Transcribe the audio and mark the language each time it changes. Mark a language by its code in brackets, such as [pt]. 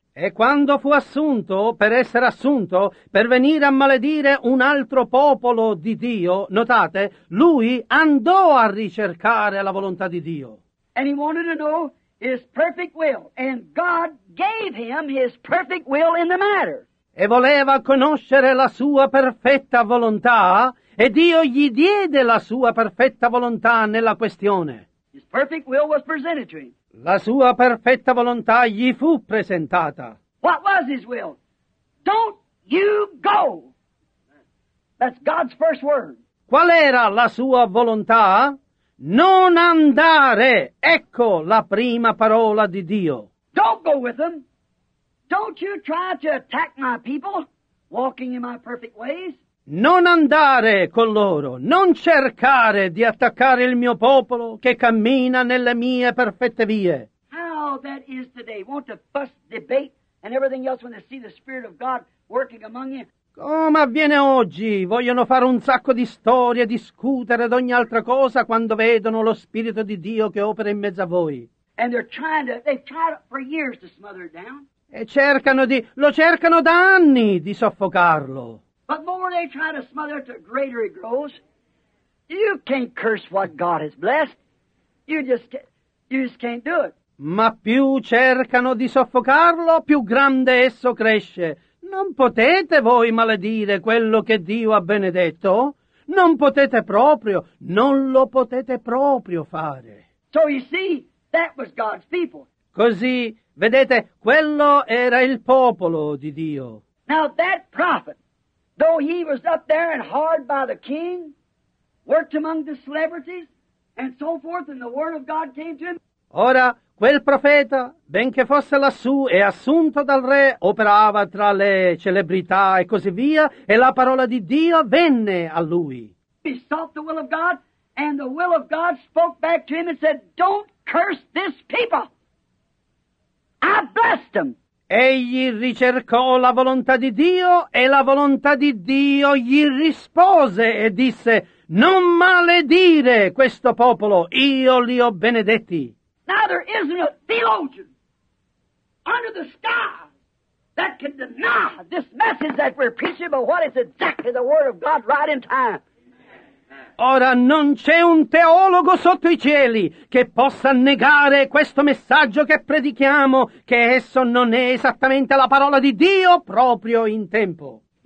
[it] E quando fu assunto, per essere assunto, per venire a maledire un altro popolo di Dio, notate, lui andò a ricercare la volontà di Dio. [en] And he wanted to know his perfect will, and God gave him his perfect will in the matter. [it] E voleva conoscere la sua perfetta volontà, e Dio gli diede la sua perfetta volontà nella questione. [en] His perfect will was presented to him. [it] La sua perfetta volontà gli fu presentata. [en] What was his will? Don't you go. That's God's first word. [it] Qual era la sua volontà? Non andare. Ecco la prima parola di Dio. [en] Don't go with them. Don't you try to attack my people walking in my perfect ways. [it] Non andare con loro, non cercare di attaccare il mio popolo che cammina nelle mie perfette vie. [en] How that is today, won't the fuss, debate and everything else when they see the Spirit of God working among you? [it] Come avviene oggi, vogliono fare un sacco di storie, discutere ad ogni altra cosa quando vedono lo Spirito di Dio che opera in mezzo a voi. [en] And they've tried for years to smother it down. [it] E cercano da anni di soffocarlo. [en] But more they try to smother it, the greater it grows. You can't curse what God has blessed. You just can't do it. [it] Ma più cercano di soffocarlo, più grande esso cresce. Non potete voi maledire quello che Dio ha benedetto? Non potete proprio, non lo potete proprio fare. [en] So you see, that was God's people. [it] Così, vedete, quello era il popolo di Dio. [en] Now that prophet, though he was up there and hard by the king, worked among the celebrities, and so forth, and the word of God came to him. [it] Ora, Quel profeta, benché fosse lassù e assunto dal re, operava tra le celebrità e così via, e la parola di Dio venne a lui. [en] He sought the will of God, and the will of God spoke back to him and said, "Don't curse this people. I blessed them." [it] Egli ricercò la volontà di Dio e la volontà di Dio gli rispose e disse, "Non maledire questo popolo, io li ho benedetti." [en] Now there isn't a theologian under the sky that can deny this message that we're preaching, but what is exactly the word of God right in time. [it] Ora non c'è un teologo sotto i cieli che possa negare questo messaggio che predichiamo, che esso non è esattamente la parola di Dio proprio in tempo.